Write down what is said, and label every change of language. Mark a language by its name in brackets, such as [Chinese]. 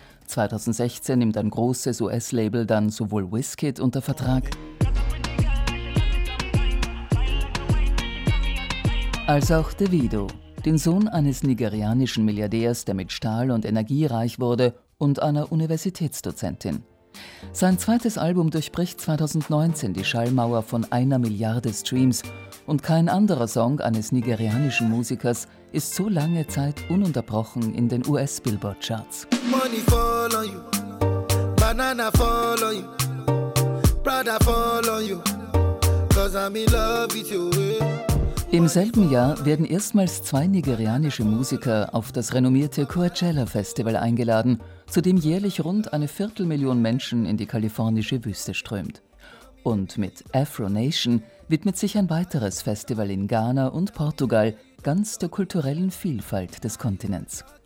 [German] 2016 nimmt ein großes US-Label dann sowohl Wizkid unter Vertrag als auch Davido, den Sohn eines nigerianischen Milliardärs, der mit Stahl und Energie reich wurde und einer Universitätsdozentin. Sein zweites Album durchbricht 2019 die Schallmauer von 1 Milliarde Streams und kein anderer Song eines nigerianischen Musikers ist so lange Zeit ununterbrochen in den US-Billboard-Charts. [English] Money follow you, banana follow you, brother follow you, 'cause I'm in love with you. [German] Im selben Jahr werden erstmals 2 nigerianische Musiker auf das renommierte Coachella-Festival eingeladen, zu dem jährlich rund 250.000 Menschen in die kalifornische Wüste strömt. Und mit Afro Nation widmet sich ein weiteres Festival in Ghana und Portugal ganz der kulturellen Vielfalt des Kontinents.